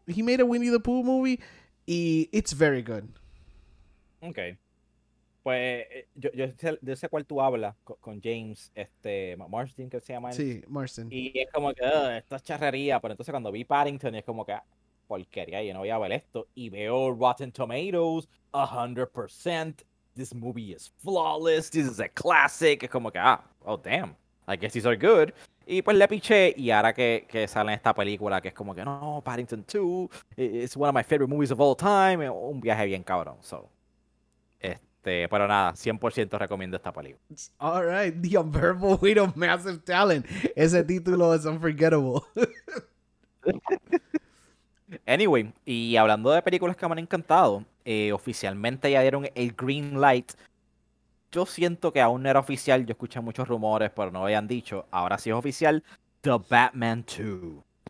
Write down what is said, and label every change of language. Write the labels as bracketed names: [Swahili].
[English] He made a Winnie the Pooh movie y it's very good. [Spanish] Ok, pues yo de ese cual tú hablas con James, Marsden, que se llama él. Sí, Marsden. Y es como que, esta es charrería, pero entonces cuando vi Paddington es como que, porquería, yo no voy a ver esto. Y veo Rotten Tomatoes, 100%, [English] this movie is flawless, this is a classic. [Spanish] Es como que, ah, [English] oh, damn, I guess these are good. [Spanish] Y pues le piché, y ahora que sale esta película, que es como que, no, [English] oh, Paddington 2, it's one of my favorite movies of all time, [Spanish] un viaje bien cabrón, so. Pero nada, 100% recomiendo esta película. [English] All right, The Unbearable Weight of Massive Talent. [Spanish] Ese título es unforgettable. Anyway, y hablando de películas que me han encantado, oficialmente ya dieron el green light. Yo siento que aún no era oficial, yo escuché muchos rumores, pero no habían dicho. Ahora sí es oficial. The Batman 2.